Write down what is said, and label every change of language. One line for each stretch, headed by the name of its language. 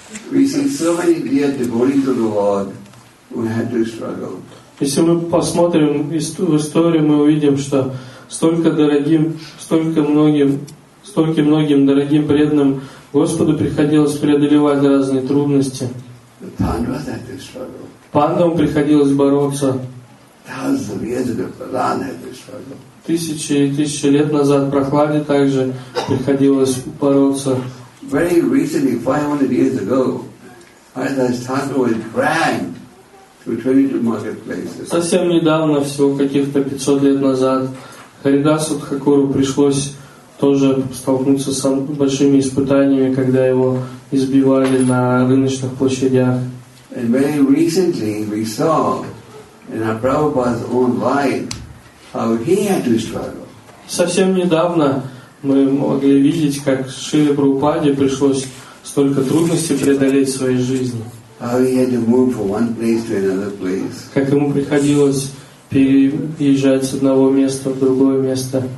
English: We see so many dear devotees of the Lord who had to struggle.
Russian: Если мы посмотрим в историю, мы увидим, что столько многим дорогим преданным Господу приходилось преодолевать разные трудности.
English: The Pandavas had to struggle.
Russian: Пандавам приходилось бороться.
English: Thousands of years ago, Prahlad had to struggle.
Russian: Тысячи и тысячи лет назад Прохладе также приходилось бороться.
English: Very recently, 500 years ago, Haridas Thakur was dragged to 22 marketplaces.
Russian: Совсем недавно, всего каких-то 500 лет назад, Харидасу Тхакуру пришлось тоже столкнуться с большими испытаниями, когда его избивали на рыночных площадях.
English: And very recently, we saw in our Prabhupada's own life how he had to struggle.
Russian: Совсем недавно мы могли видеть, как Шриле Прабхупаде пришлось столько трудностей преодолеть в своей жизни. Как ему приходилось переезжать с одного места в другое место.